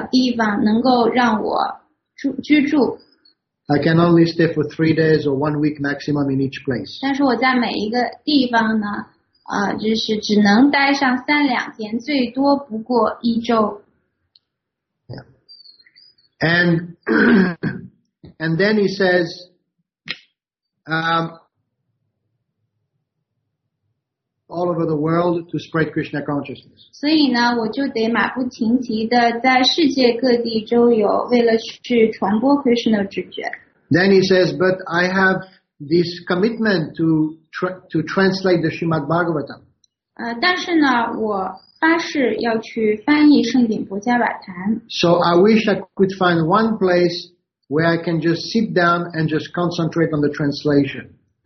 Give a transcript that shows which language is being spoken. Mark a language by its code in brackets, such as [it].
[zh] 虽然呢，到处都有非常舒适的地方能够让我居住, [en] I can only stay for 3 days or 1 week maximum in each place. [zh] 但是我在每一个地方呢，就是只能待上三两天，最多不过一周。 Yeah. [en] And then he says, all over the world to spread Krishna consciousness. [zh] 所以呢，我就得马不停蹄的在世界各地周游，为了去传播 Krishna 知觉。 [en] Then he says, "But I have this commitment to translate the Srimad Bhagavatam." [zh] 但是呢，我发誓要去翻译圣典博迦瓦坛。 [en] So I wish I could find one place where I can just sit down and just concentrate on the translation.